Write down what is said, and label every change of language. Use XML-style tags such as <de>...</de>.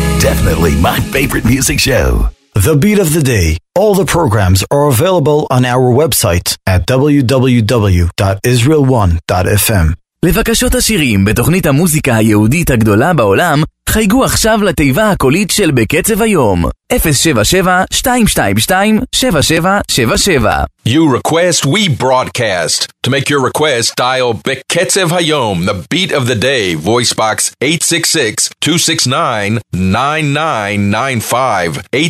<en>Definitely my favorite music show. The Beat of the Day. All the programs are available on our website at www.israel1.fm.</en> <he>לבקשות השירים בתוכנית המוזיקה היהודית הגדולה בעולם, חייגו עכשיו לתיבה הקולית של בקצב היום. 077-222-7777.</he> <en>You request, we broadcast. To make your request, dial בקצב היום, the beat of the day, voice box 866-269-9995.</en>